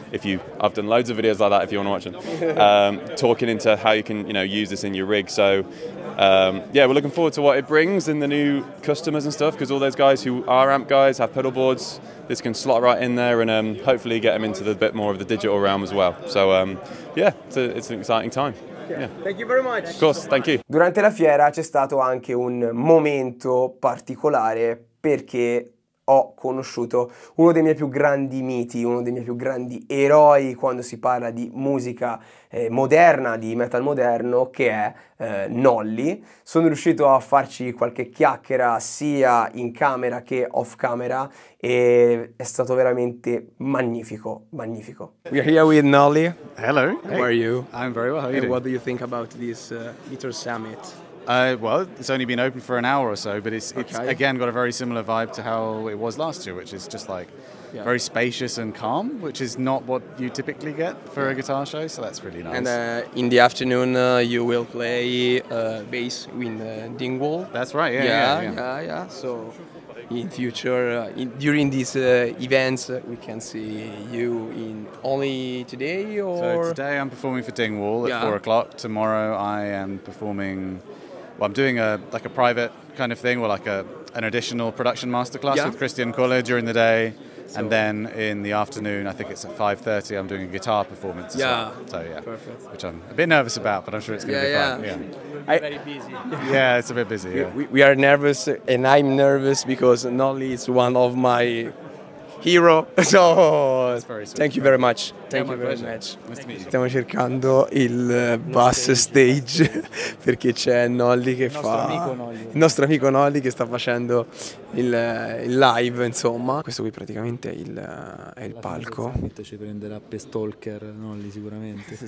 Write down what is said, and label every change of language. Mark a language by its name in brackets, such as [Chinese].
[English] If you, I've done loads of videos like that if you want to watch them, talking into how you can, you know, use this in your rig. So yeah, we're looking forward to what it brings in the new customers and stuff, because all those guys who are amp guys have pedal boards, this can slot right in there and hopefully get them into the bit more of the digital realm as well. So yeah, it's an exciting time. Thank you very much. Of course, thank you. [Italian] Durante la fiera c'è stato anche un momento particolare, perché ho conosciuto uno dei miei più grandi miti, uno dei miei più grandi eroi quando si parla di musica moderna, di metal moderno, che è Nolly. Sono riuscito a farci qualche chiacchiera sia in camera che off camera e è stato veramente magnifico, magnifico. [English] We are here with Nolly. Hello. How are you? I'm very well. How are you? What do you think about this Guitar Summit? Well, it's only been open for an hour or so, but it's again got a very similar vibe to how it was last year, which is just like very spacious and calm, which is not what you typically get for a guitar show, so that's really nice. And in the afternoon you will play bass in Dingwall. That's right, yeah. Yeah. So in future, during these events, we can see you in only today or? So today I'm performing for Dingwall at 4 o'clock. Tomorrow I am performing... Well, I'm doing a private kind of thing, or like an additional production masterclass with Christian Kohler during the day. So, and then in the afternoon, I think it's at 5:30, I'm doing a guitar performance as well. So, yeah. Perfect. Which I'm a bit nervous about, but I'm sure it's going to be fun. Yeah. Very busy. Yeah, it's a bit busy. Yeah. We are nervous, and I'm nervous because Nolly is one of my hero. So, thank you very much. Thank you very much. [Italian] Stiamo cercando il bus stage perché c'è Nolly che fa il nostro amico Nolly che sta facendo il live, insomma. Questo qui praticamente è il palco. Ci prenderà per stalker Nolly sicuramente.